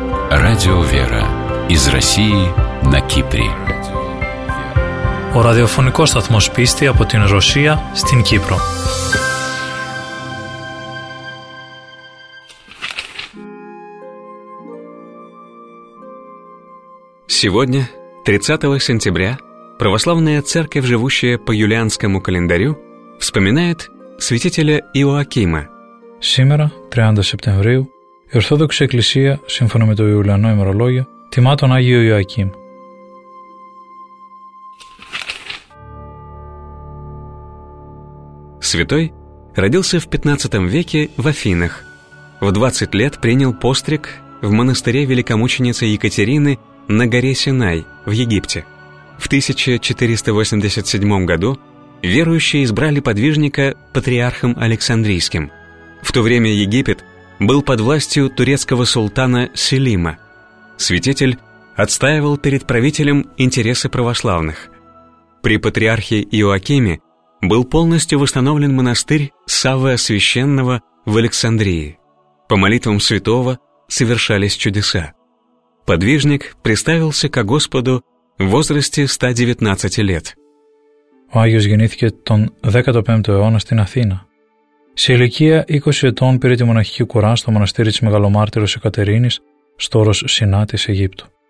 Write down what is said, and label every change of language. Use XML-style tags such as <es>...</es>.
<ru>Радио «Вера» из России на Кипре.</ru> <el>Ο ραδιοφωνικός σταθμός πίστη από την Ρωσία στην Κύπρο.</el> <ru>Сегодня, 30 сентября, православная церковь, живущая по юлианскому календарю, вспоминает святителя Иоакима. Сегодня, 30 сентября,</ru> <el>η Ορθόδοξη Εκκλησία, σύμφωνα με το Ιουλιανό ημερολόγιο, τιμά τον Άγιο Ιωακήμ.</el> <ru>Святой родился в 15 веке в Афинах. В 20 лет принял постриг в монастыре великомученицы Екатерины на горе Синай в Египте. В 1487 году верующие избрали подвижника патриархом Александрийским. В то время Египет был под властью турецкого султана Селима. Святитель отстаивал перед правителем интересы православных. При патриархе Иоакиме был полностью восстановлен монастырь Саввы Освященного в Александрии. По молитвам святого совершались чудеса. Подвижник приставился ко Господу в возрасте 119 лет.</ru> <el>Ο Άγιος γεννήθηκε τον 15ο αιώνα στην Αθήνα. Σε ηλικία 20 ετών πήρε τη μοναχική κουρά στο μοναστήρι της Μεγαλομάρτυρος Εκατερίνης, στο όρος Σινά της Αιγύπτου.</el>